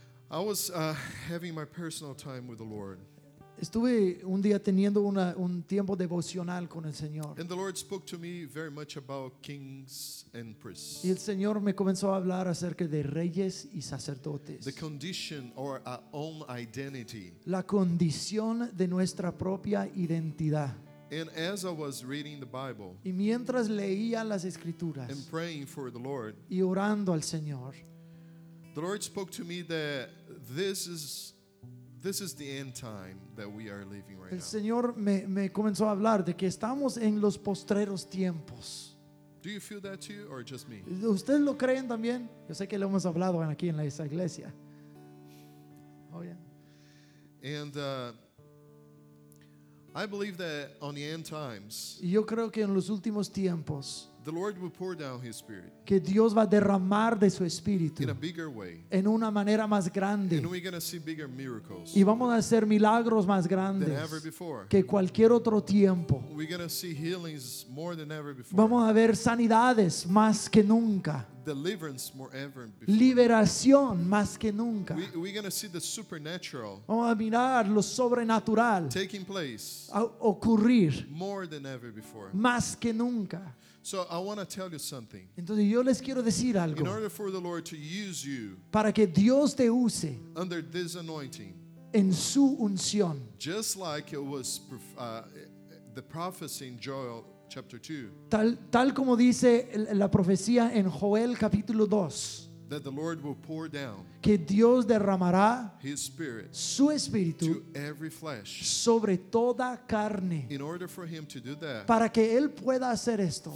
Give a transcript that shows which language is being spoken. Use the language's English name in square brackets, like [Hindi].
[English] I was having my personal time with the Lord. [Spanish] Estuve un día teniendo un tiempo devocional con el Señor. [English] And the Lord spoke to me very much about kings and priests. [Spanish] Y el Señor me comenzó a hablar acerca de reyes y sacerdotes. [English] The condition or our own identity. [Spanish] La condición de nuestra propia identidad. [English] And as I was reading the Bible, [Spanish] y mientras leía las escrituras, [English] and praying for the Lord, [Spanish] y orando al Señor, [English] the Lord spoke to me that this is the end time that we are living right now. [Spanish] El Señor me comenzó a hablar de que estamos en los postreros tiempos. [English] Do you feel that too, or just me? [Spanish] ¿Ustedes lo creen también? Yo sé que lo hemos hablado aquí en esa iglesia. [English] Oh yeah. And I believe that on the end times. [Spanish] Yo creo que en los últimos tiempos. [English] The Lord will pour down His Spirit. [Spanish] Que Dios va a derramar de su espíritu. [English] In a bigger way. [Spanish] En una manera más grande. [English] And we're going to see bigger miracles. [Spanish] Y vamos a hacer milagros más grandes. [English] Than ever before. [Spanish] Que cualquier otro tiempo. [English] We're going to see healings more than ever before. [Spanish] Vamos a ver sanidades más que nunca. [English] Deliverance more ever before. [Spanish] Liberación más que nunca. [English] We're going to see the supernatural. [Spanish] Vamos a mirar lo sobrenatural. [English] Taking place. [Spanish] A ocurrir. [English] More than ever before. [Spanish] Más que nunca. [English] So I want to tell you something. [Spanish] Entonces yo les quiero decir algo. [English] In order for the Lord to use you, [Spanish] para que Dios te use, [English] under this anointing, [Spanish] en su unción, [English] just like it was the prophecy in Joel chapter 2. [Spanish] Tal como dice la profecía en Joel capítulo 2. [English] That the Lord will pour down, [Spanish] que Dios derramará [English] His Spirit, [Spanish] su espíritu, [English] to every flesh, [Spanish] sobre toda carne. [English] In order for Him to do that, [Spanish] para que Él pueda hacer esto,